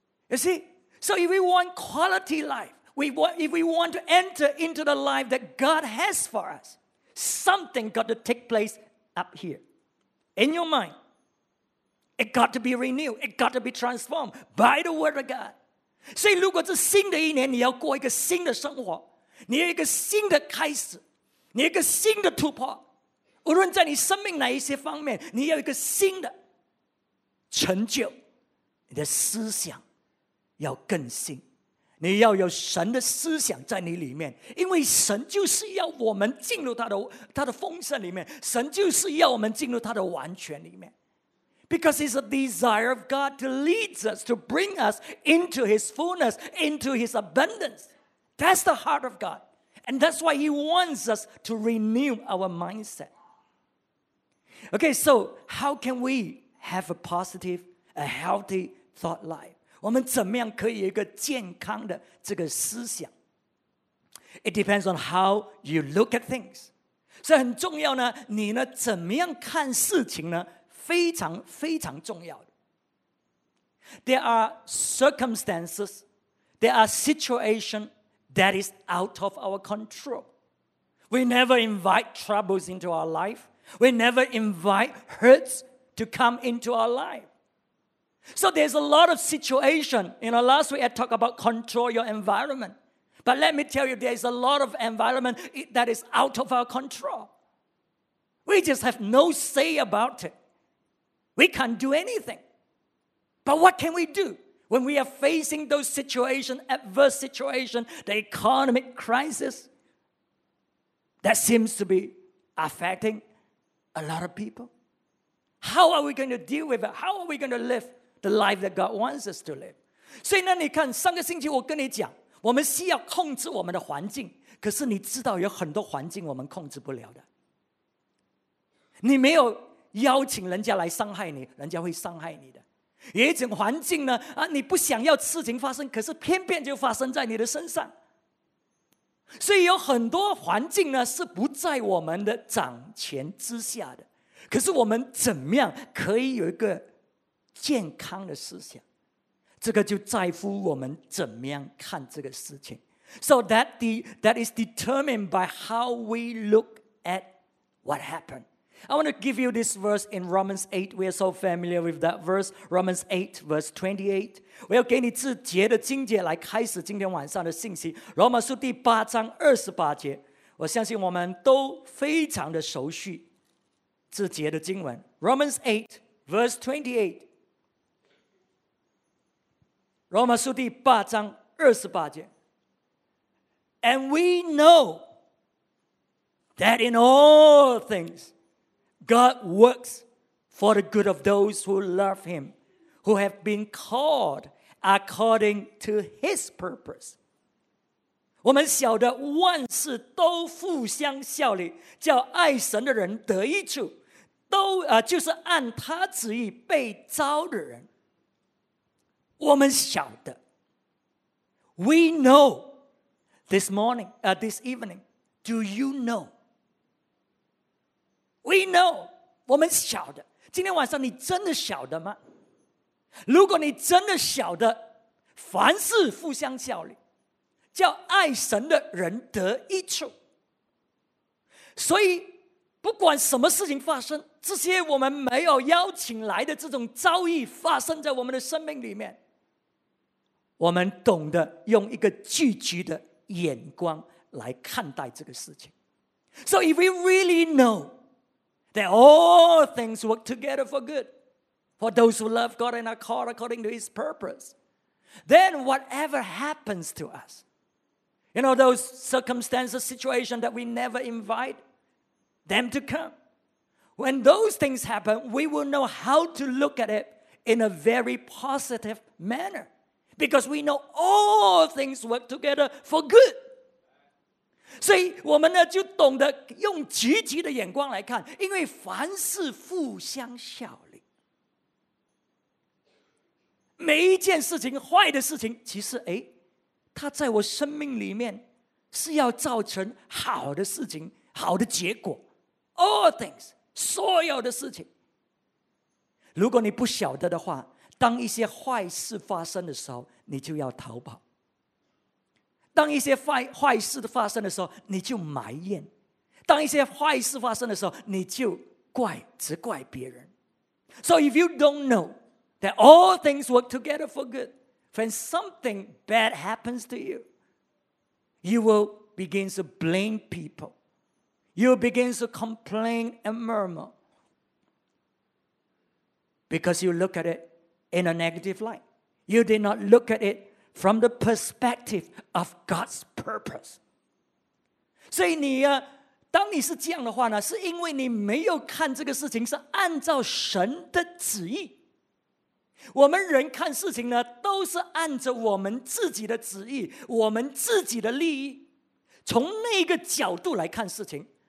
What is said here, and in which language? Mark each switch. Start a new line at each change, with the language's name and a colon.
English: You see? So if we want quality life, if we want to enter into the life that God has for us, something got to take place up here. In your mind. It got to be renewed. It got to be transformed by the word of God.
Chinese: 所以如果是新的一年，你要过一个新的生活，你有一个新的开始，你有一个新的突破。无论在你生命哪一些方面，你要一个新的成就，你的思想要更新，你要有神的思想在你里面，因为神就是要我们进入他的丰盛里面，神就是要我们进入他的完全里面。
English: Because it's a desire of God to lead us, to bring us into his fullness, into his abundance. That's the heart of God. And that's why he wants us to renew our mindset. Okay, so how can we have a positive, a healthy thought life?
Chinese: 我们怎么样可以有一个健康的这个思想？
English: It depends on how you look at things.
Chinese: 所以很重要呢，你呢怎么样看事情呢？非常非常重要的。
English: There are circumstances, there are situations that is out of our control. We never invite troubles into our life. We never invite hurts to come into our life. So there's a lot of situation. You know, last week I talked about control your environment. But let me tell you, there's a lot of environment that is out of our control. We just have no say about it. We can't do anything. But what can we do when we are facing those situations, adverse situations, the economic crisis that seems to be affecting a lot of people? How are we going to deal with it? How are we going to live the life that God wants us to live?
Chinese: 所以呢，你看上个星期我跟你讲，我们需要控制我们的环境，可是你知道有很多环境我们控制不了的。你没有邀请人家来伤害你，人家会伤害你的。有一种环境呢，啊，你不想要事情发生，可是偏偏就发生在你的身上。所以有很多环境呢是不在我们的掌权之下的，可是我们怎么样可以有一个健康的思想，这个就在乎我们怎么样看这个事情。
English: So that is determined by how we look at what happened. I want to give you this verse in Romans 8. We are so familiar with that verse, Romans 8 verse 28.
Chinese: 我要给你这节的经节来开始今天晚上的信息，罗马书第八章二十八节。我相信我们都非常的熟悉这节的经文，
English: Romans 8 verse 28，
Chinese: 罗马书第八章二十八节。
English: And we know that in all things God works for the good of those who love him, who have been called according to his purpose.
Chinese: 我们晓得万事都互相效力，叫爱神的人得益处，都就是按他旨意被召的人。我们晓得，
English: We know this morning, this evening, do you know? We know,
Chinese: 我们晓得，今天晚上你真的晓得吗？如果你真的晓得，凡事互相效力，叫爱神的人得益处。所以，不管什么事情发生，这些我们没有邀请来的这种遭遇发生在我们的生命里面，我们懂得用一个聚集的眼光来看待这个事情。
English: So if we really know that all things work together for good for those who love God and are called according to his purpose, then whatever happens to us, you know, those circumstances, situations that we never invite them to come, when those things happen, we will know how to look at it in a very positive manner. Because we know all things work together for good.
Chinese: 所以我们呢就懂得用积极的眼光来看，因为凡事互相效力。每一件事情，坏的事情，其实哎，它在我生命里面是要造成好的事情，好的结果。
English: All things,
Chinese: 所有的事情。如果你不晓得的话，当一些坏事发生的时候，你就要逃跑。当一些 坏事发生的时候，你就埋怨。当一些坏事发生的时候，你就怪，只怪别人。
English: So if you don't know that all things work together for good, when something bad happens to you, you will begin to blame people. You will begin to complain and murmur. Because you look at itin a negative light. You did not look at it from the perspective of God's purpose.
Chinese: 所以你啊，当你是这样的话呢，是因为你没有看这个事情是按照神的旨意。我们人看事情呢，都是按着我们自己的旨意，我们自己的利益，从那个角度来看事情。